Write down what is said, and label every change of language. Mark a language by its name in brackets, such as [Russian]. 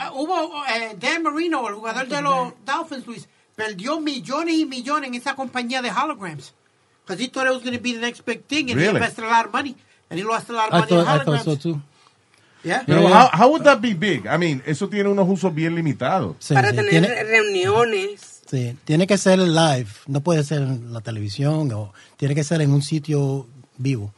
[Spanish] Hubo Dan Marino, el jugador de los Dolphins, Luis. Perdió millones y millones en esa compañía de holograms. [English] Because he thought it was going to be the next big thing. And really? He invested a lot of money. And he lost a lot of money in holograms. I thought so too. Yeah. [Spanish] Pero [English] yeah. How would that be big? I mean, [Spanish] eso tiene unos usos bien limitados. Sí, para sí. tener tiene, reuniones. Sí, tiene que ser live. No puede ser en la televisión. O tiene que ser en un sitio vivo.